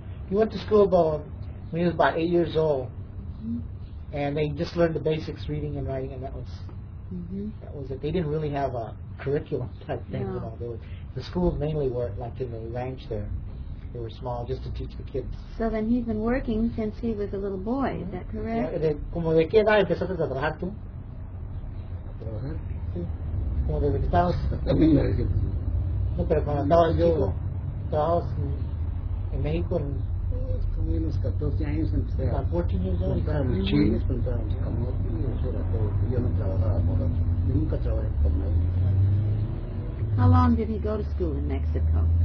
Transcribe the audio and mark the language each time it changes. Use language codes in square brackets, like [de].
[en] He went to school about when he was about 8 years old. Mm-hmm. And they just learned the basics, reading and writing, and that was mm-hmm. that was it. They didn't really have a curriculum type thing. No. You know, the schools mainly were like in the ranch there. They were small, just to teach the kids. So then he's been working since he was a little boy, mm-hmm. is that correct? [es] Yeah, ¿Como de qué edad empezaste a trabajar tú? Como desde que estabas. No, pero cuando estabas yo, estabas en México. Como unos 14 años empecé a contar a los chiles, contar a los camotes, yo no trabajaba por otro. Nunca trabajé por nadie. [en] How long did he go to school in Mexico?